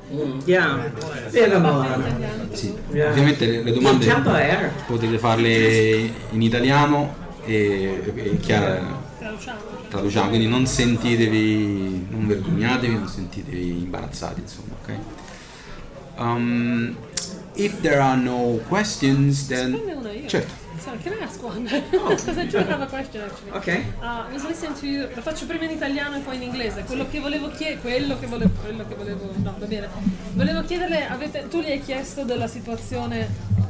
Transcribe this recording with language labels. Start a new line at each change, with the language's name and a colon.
Italian: Ovviamente le domande potete farle in italiano e chiaro, traduciamo, quindi non sentitevi, non vergognatevi, non sentitevi imbarazzati, insomma, ok?
English: if there are no questions, then...
Italian: Certo.
English: So, can I ask one? Because I do have a question, actually. Okay. I was listening to you.
Italian: Lo faccio prima in italiano e poi in inglese. Quello che volevo chiedere... Quello che volevo... No, va bene. Volevo chiederle... Tu gli hai chiesto della situazione...